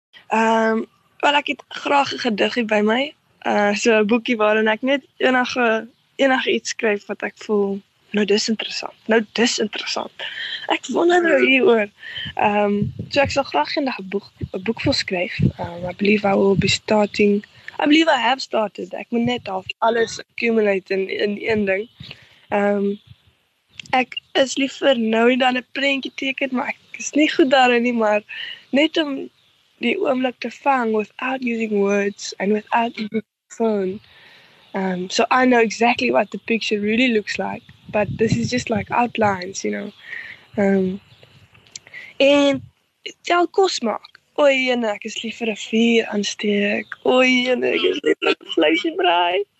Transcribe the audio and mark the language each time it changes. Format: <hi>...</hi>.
<af>Wel, ek het graag 'n gediggie by my. So 'n boekie waarin ek net enige iets skryf wat ek voel. Nou, dis interessant. Ek wonder nou hier oor. So ek sal graag in die boek vol skryf.</af> <en>I believe I have started.</en> <af>Ek moet net al alles accumulate in een ding. Ek is liever nou en dan 'n prentjie teken, maar ek is nie goed daarin nie, maar net om die oomblik te vang</af> <en>without using words and without even a phone. So I know exactly what the picture really looks like. But this is just like outlines, you know.</en> <af>En tel kos maak. Oei, en ek is liever een vuur aansteek. Oei, en ek is liever een vleisie braai.</af>